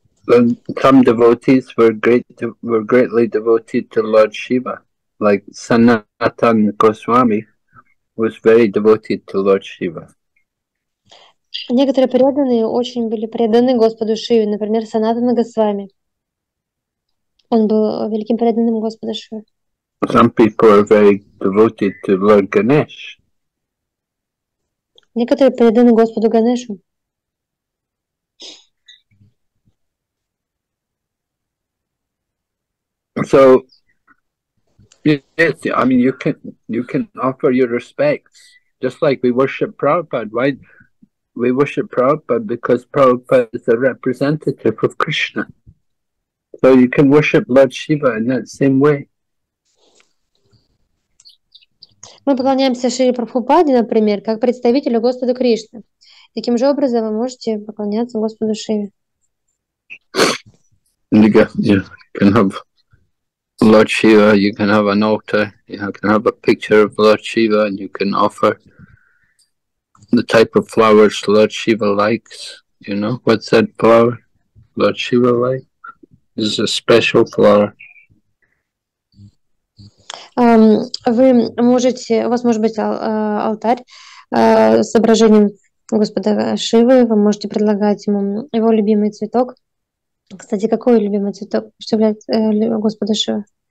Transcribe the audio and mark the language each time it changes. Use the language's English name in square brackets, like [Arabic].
[English] Some devotees were greatly devoted to Lord Shiva, like Sanatan Goswami was very devoted to Lord Shiva. [Russian] Некоторые преданные очень были преданы Господу Шиве, например, Санатан Госвами. Он был великим преданным Господа Шивы. [English] Some people are very devoted to Lord Ganesh. [Russian] Некоторые преданы Господу Ганешу. [English] So, yes, I mean, you can offer your respects, just like we worship Prabhupada. Why? We worship Prabhupada because Prabhupada is a representative of Krishna. So you can worship Lord Shiva in that same way. [Russian] Мы поклоняемся Шри Прабхупаде, например, как представителю Господа Кришны. Таким же образом вы можете поклоняться Господу Шиве. [English] You can have Lord Shiva, you can have an altar, you can have a picture of Lord Shiva, and you can offer the type of flowers Lord Shiva likes. You know, what's that flower Lord Shiva likes? This is a special flower. [Russian] Вы можете, у вас может быть алтарь с изображением Господа Шивы. Вы можете предлагать ему его любимый цветок. Кстати, какой любимый цветок представляет Господа Шивы?